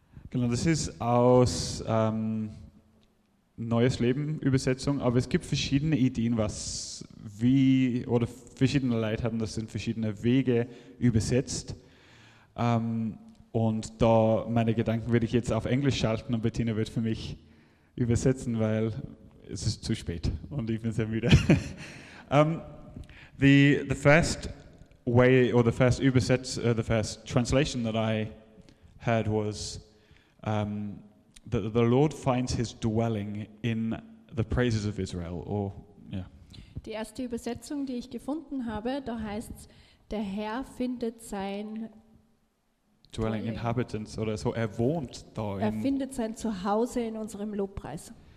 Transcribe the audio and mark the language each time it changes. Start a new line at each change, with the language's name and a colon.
German: Genau, das ist aus Neues Leben Übersetzung, aber es gibt verschiedene Ideen, verschiedene Leute haben das in verschiedene Wege übersetzt. Und da meine Gedanken werde ich jetzt auf Englisch schalten und Bettina wird für mich übersetzen, weil es ist zu spät und ich bin sehr müde.
English: the first way or the first the first translation that I had was that the Lord finds his dwelling in the praises of Israel.
German: Die erste Übersetzung, die ich gefunden habe, da heißt es, der Herr findet sein
English: Dwelling inhabitants,
German: oder so, er wohnt da. Er findet sein Zuhause in unserem Lobpreis.